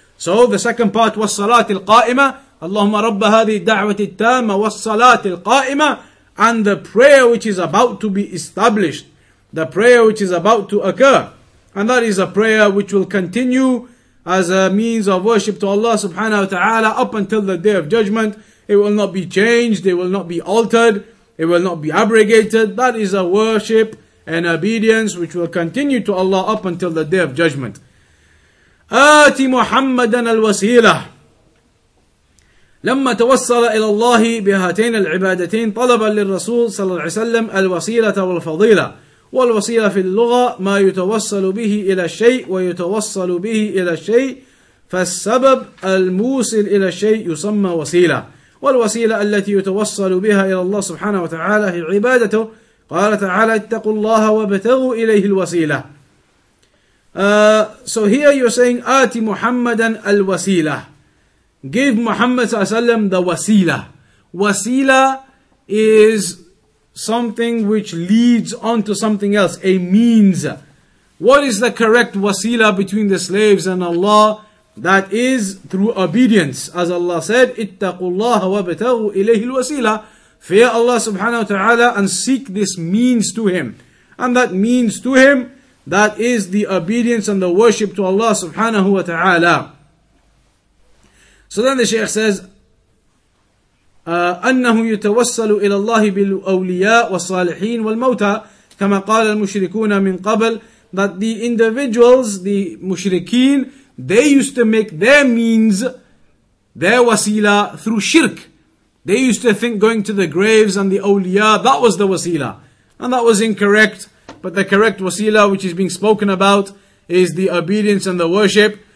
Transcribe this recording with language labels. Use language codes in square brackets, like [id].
[en] So the second part, [ar] وَالصَّلَاةِ الْقَائِمَةِ. Allahumma rabba hadhi da'wati tama wa salati al-qa'ima, [en] and the prayer which is about to be established, the prayer which is about to occur, and that is a prayer which will continue as a means of worship to Allah subhanahu wa ta'ala up until the Day of Judgment. It will not be changed, it will not be altered, it will not be abrogated. That is a worship and obedience which will continue to Allah up until the Day of Judgment. [ar] Ati Muhammadan al-wasilah. لما توصل إلى الله بهاتين العبادتين طلبا للرسول صلى الله عليه وسلم الوسيلة والفضيلة والوسيلة في اللغة ما يتوصل به إلى الشيء ويتوصل به إلى الشيء فالسبب الموصل إلى الشيء يسمى وسيلة والوسيلة التي يتوصل بها إلى الله سبحانه وتعالى هي عبادته قال تعالى اتقوا الله وابتغوا إليه الوسيلة. [en] So here you're saying [ar] آتي محمدا الوسيلة. [en] Give Muhammad sallallahu alaihi wasallam the wasila. Wasila is something which leads on to something else, a means. What is the correct wasila between the slaves and Allah? That is through obedience. As Allah said, [ar] اتقوا الله وابتغوا إليه الوسيلة. [en] Fear Allah subhanahu wa ta'ala and seek this means to Him. And that means to Him, that is the obedience and the worship to Allah subhanahu wa ta'ala. So then the Shaykh says, [ar] أنه يتوسل إلى الله بالأولياء والصالحين والموتى كما قال المشركون من قبل. [en] That the individuals, the mushrikeen, they used to make their means, their wasila, through shirk. They used to think going to the graves and the awliya, that was the wasila. And that was incorrect. But the correct wasila, which is being spoken about, is the obedience and the worship.